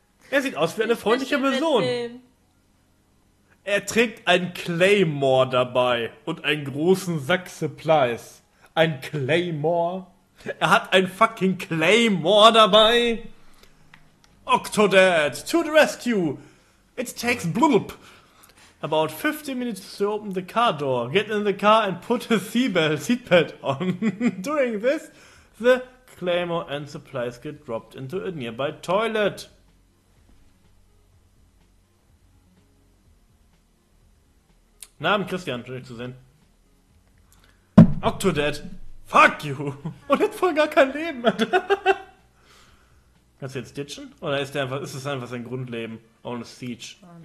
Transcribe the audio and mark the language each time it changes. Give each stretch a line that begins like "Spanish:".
German: Er sieht aus wie eine freundliche Person. Er trägt ein Claymore dabei und einen großen Sack Supplies. Ein Claymore? Er hat ein fucking Claymore dabei.
English: Octodad, to the rescue. It takes bloop. About 15 minutes to open the car door. Get in the car and put a seatbelt on. During this, the Claymore and supplies get dropped into a nearby toilet.
German: Na, ich bin Christian, schön dich zu sehen. Octodad.
English: Fuck you!
German: Und jetzt voll gar kein Leben! Kannst du jetzt ditchen? Oder ist, ist das einfach sein Grundleben?
English: On a siege.